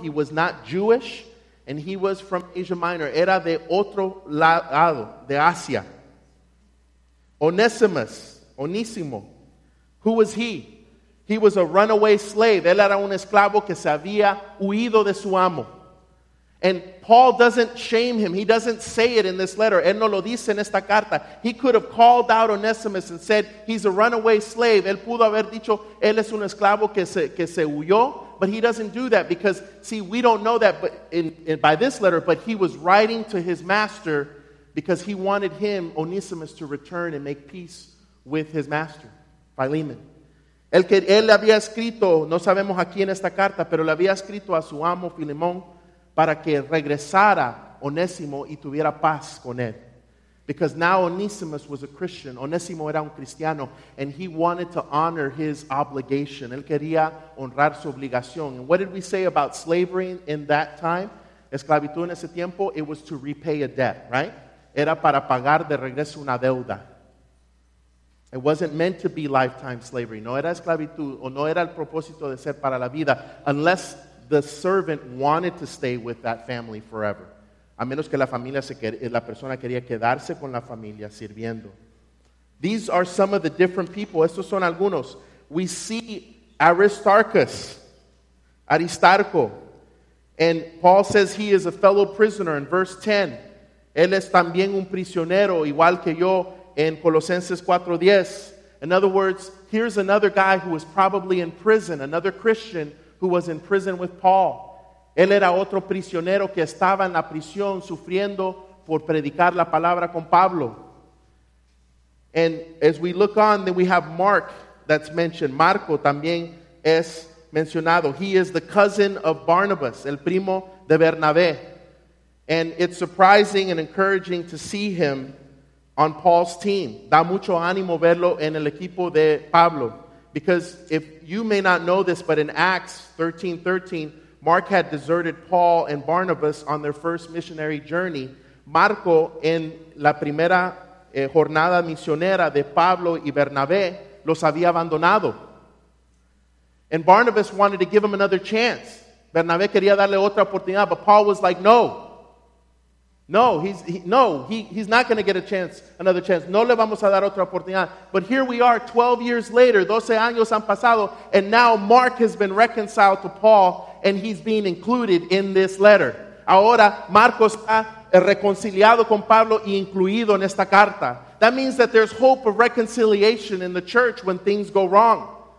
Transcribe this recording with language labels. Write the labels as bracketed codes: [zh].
[en] He was not Jewish. And he was from Asia Minor. [es] Era de otro lado, de Asia. Onísimo. [en] Who was he? He was a runaway slave. [es] Él era un esclavo que se había huido de su amo. [en] And Paul doesn't shame him. He doesn't say it in this letter. [es] Él no lo dice en esta carta. [en] He could have called out Onesimus and said, he's a runaway slave. [es] Él pudo haber dicho, él es un esclavo que se huyó. [en] But he doesn't do that because, see, we don't know that but by this letter, but he was writing to his master because he wanted him, Onesimus, to return and make peace with his master, Philemon. [es] El que él había escrito, no sabemos aquí en esta carta, pero le había escrito a su amo Filemón para que regresara Onésimo y tuviera paz con él. [en] Because now Onesimus was a Christian. [es] Onésimo era un cristiano. [en] And he wanted to honor his obligation. [es] Él quería honrar su obligación. [en] And what did we say about slavery in that time? [es] Esclavitud en ese tiempo, [en] it was to repay a debt, right? [es] Era para pagar de regreso una deuda. [en] It wasn't meant to be lifetime slavery. [es] No era esclavitud o no era el propósito de ser para la vida [en] unless the servant wanted to stay with that family forever. [es] A menos que la persona quería quedarse con la familia sirviendo. [en] These are some of the different people. [es] Estos son algunos. [en] We see Aristarco. And Paul says he is a fellow prisoner in verse 10. [es] Él es también un prisionero, igual que yo, en Colosenses 4:10. [en] In other words, here's another guy who was probably in prison, another Christian who was in prison with Paul. [es] Él era otro prisionero que estaba en la prisión sufriendo por predicar la palabra con Pablo. [en] And as we look on, then we have Mark that's mentioned. [es] Marco también es mencionado. [en] He is the cousin of Barnabas, [es] el primo de Bernabé. [en] And it's surprising and encouraging to see him on Paul's team. [es] Da mucho ánimo verlo en el equipo de Pablo. [en] Because if you may not know this, but in Acts 13:13, Mark had deserted Paul and Barnabas on their first missionary journey. [es] Marco, en la primera jornada misionera de Pablo y Bernabé, los había abandonado. [en] And Barnabas wanted to give him another chance. [es] Bernabé quería darle otra oportunidad, [en] but Paul was like, no. He's not going to get a chance, another chance. [es] No le vamos a dar otra oportunidad. [en] But here we are, 12 years later, [es] 12 años han pasado, [en] and now Mark has been reconciled to Paul, and he's being included in this letter. [es] Ahora, Marcos está reconciliado con Pablo y incluido en esta carta. [en] That means that there's hope of reconciliation in the church when things go wrong.